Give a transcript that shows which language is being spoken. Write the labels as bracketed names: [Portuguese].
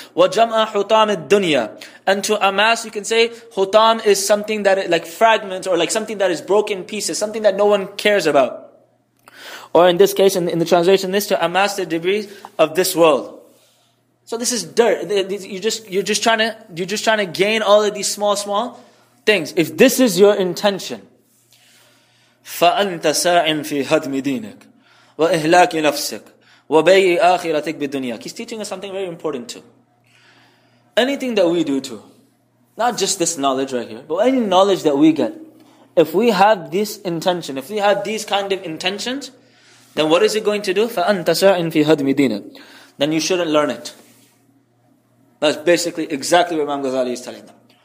[Arabic] Wajama'a hutam ad-dunya. [English] And to amass, you can say, hutam is something that is like fragments or like something that is broken pieces, something that no one cares about. Or in this case, in the translation, this, to amass the debris of this world. So this is dirt. You're just trying to gain all of these small things. If this is your intention, [Arabic] فأنت ساع في هدم دينك وإهلاك نفسك وبيع آخرتك بالدنيا. [English] He's teaching us something very important too. Anything that we do too, not just this knowledge right here, but any knowledge that we get, if we have this intention, if we have these kind of intentions, then what is it going to do? [Arabic] فَأَنْتَ سَعِنْ فِي هَدْمِ دِينَكَ. [English] Then you shouldn't learn it. That's basically exactly what Imam Ghazali is telling them.